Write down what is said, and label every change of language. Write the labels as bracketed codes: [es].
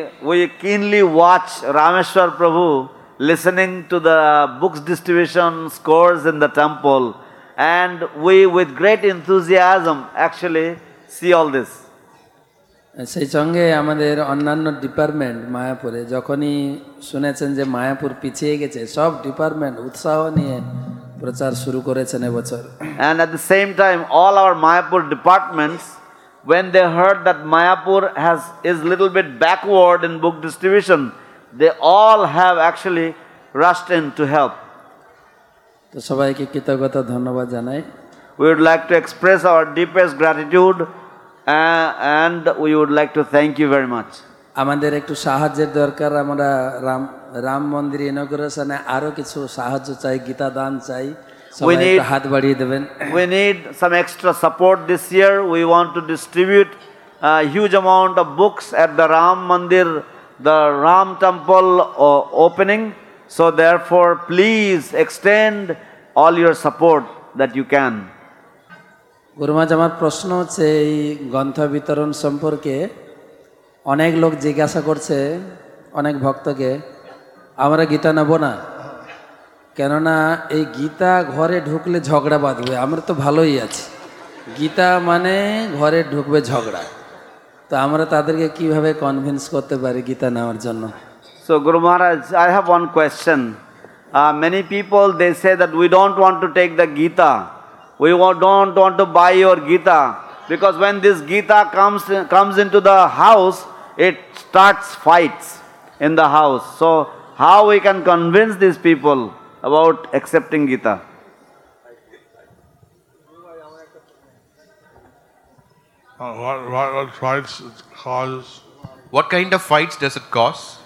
[en] we kindly watch Rameshwar Prabhu listening to the books distribution scores in the temple and we with great enthusiasm actually see all this [bn] সেই সঙ্গে আমাদের অন্যান্য department মায়াপুরে যখনই শুনেছেন যে মায়াপুর পিছিয়ে গেছে সব ডিপার্টমেন্ট উৎসাহ নিয়ে প্রচার শুরু করেছেন এবছর [en] And at the same time all our Mayapur departments when they heard that Māyāpur is a little bit backward in book distribution, they all have actually rushed in to help. We would like to express our deepest gratitude and we would like to thank you very much. [bn] আমাদের একটু সাহায্যের দরকার আমরা রাম রাম মন্দির ইনগ্রেশনে আরো কিছু সাহায্য চাই গীতা দান চাই সবাই একটু হাত বাড়িয়ে দেবেন [en] we need some extra support this year we want to distribute a huge amount of books at the ram mandir the ram temple opening so therefore please extend all your support that you can [bn] গুরুমা আমার প্রশ্ন হচ্ছে এই গ্রন্থ বিতরণ সম্পর্কে অনেক লোক জিজ্ঞাসা করছে অনেক ভক্তকে আমরা গীতা নেব না কেননা এই গীতা ঘরে ঢুকলে ঝগড়া বাঁধবে আমরা তো ভালোই আছি গীতা মানে ঘরে ঢুকবে ঝগড়া তো আমরা তাদেরকে কিভাবে কনভিন্স করতে পারি গীতা নেওয়ার জন্য [en] So Guru Maharaj I have one question many people they say that we don't want to take the Gita we don't want to buy your Gita Because when this Gita comes into the house, it starts fights in the house. So how we can convince these people about accepting Gita? What fights it causes? What kind of fights does it cause?